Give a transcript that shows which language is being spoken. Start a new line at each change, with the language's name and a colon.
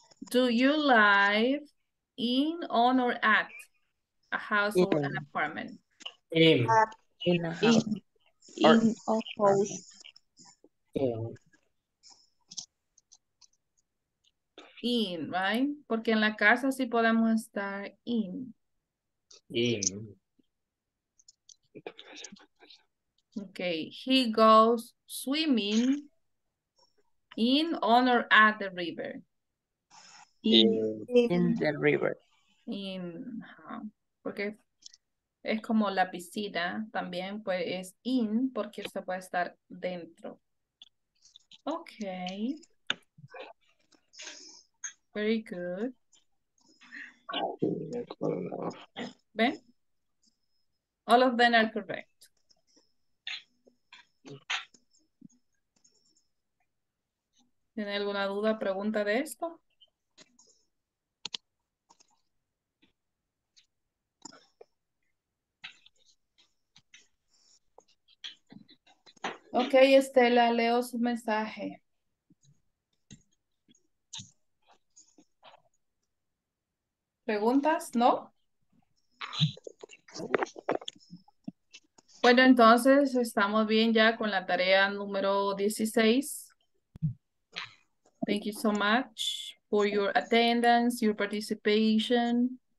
English: Do you live in, on, or at a house or an apartment? In a house. In, right?
Spanish: Porque en la casa sí podemos estar in.
English: In. Okay, he goes swimming in, on, or at the river? In the river.
Spanish: In, porque es como la piscina también, pues es in, porque se puede estar dentro.
English: Okay. Very good. ¿Ven? All of them are correct.
Spanish: ¿Tiene alguna duda, pregunta de esto? Ok, Estela, leo su mensaje. ¿Preguntas? ¿No? Bueno, entonces estamos bien ya con la tarea número 16.
English: Thank you so much for your attendance, your participation.